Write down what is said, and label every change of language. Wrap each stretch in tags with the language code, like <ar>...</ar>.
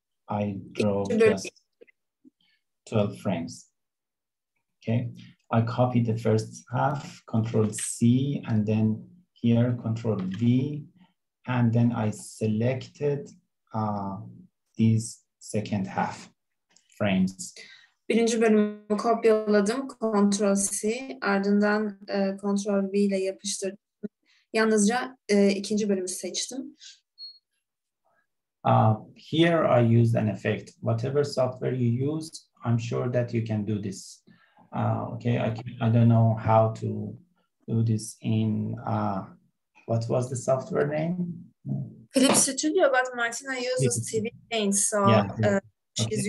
<en>I draw just 12 frames. Okay, I copy the first half, Control C, and then here Control V, and then I selected these second half frames.</en> <tr>Birinci bölümü kopyaladım, Control C, ardından Control V ile yapıştırdım. Yalnızca ikinci bölümü seçtim.</tr> <en>Here I used an effect. Whatever software you used, I'm sure that you can do this. Okay, I don't know how to do this in what was the software name? Clip Studio, but Martina uses TV Paint, so yeah. She's okay.</en>